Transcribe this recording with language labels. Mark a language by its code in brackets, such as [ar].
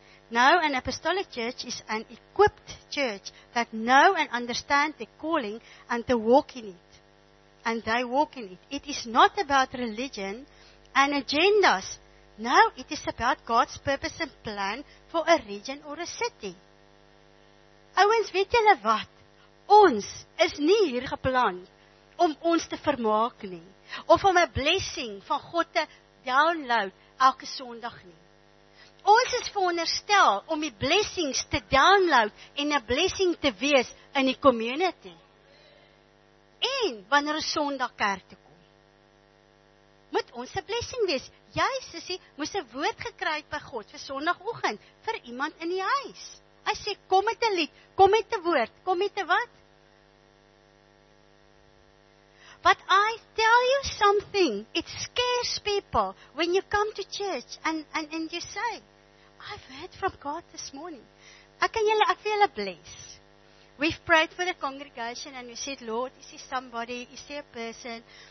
[en] Now an apostolic church is an equipped church that know and understand the calling and the walk in it. And they walk in it. It is not about religion and agendas. No, it is about God's purpose and plan for a region or a city. [af] Ouens, weet julle wat? Ons is nie hier geplant om ons te vermaak nie. Of om 'n blessing van God te download elke Sondag nie. Ons is veronderstel om die blessings te download en 'n blessing te wees in die community. En wanneer ons Sondag kerk toe kom, moet ons 'n blessing wees. Jy, sussie, moes 'n woord gekry het by God vir Sondagoggend vir iemand in die huis. Hy sê, kom met 'n lied, kom met 'n woord, kom met 'n wat? [en] But I tell you something, it scares people when you come to church and you say, I've heard from God this morning. [af] Ek wil julle bless. [en] We've prayed for the congregation and we said, Lord, is there somebody, is there a person?